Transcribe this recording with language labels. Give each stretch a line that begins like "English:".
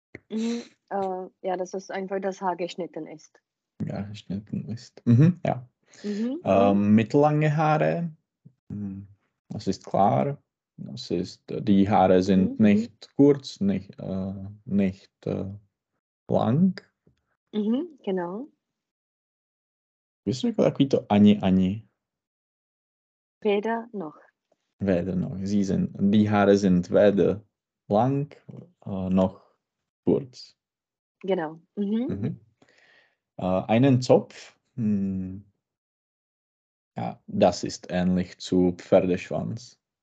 German: Ja, das ist einfach, dass Haar geschnitten ist. Ja, geschnitten ist. Mittellange Haare. Das ist klar. Das ist, die Haare sind nicht kurz, nicht lang. Genau.
Czech: Bist du takový to ani, ani?
German: Weder noch. Weder noch. Sie sind, die Haare sind weder lang noch kurz. Genau. Einen Zopf. Ja, das ist ähnlich zu Pferdeschwanz.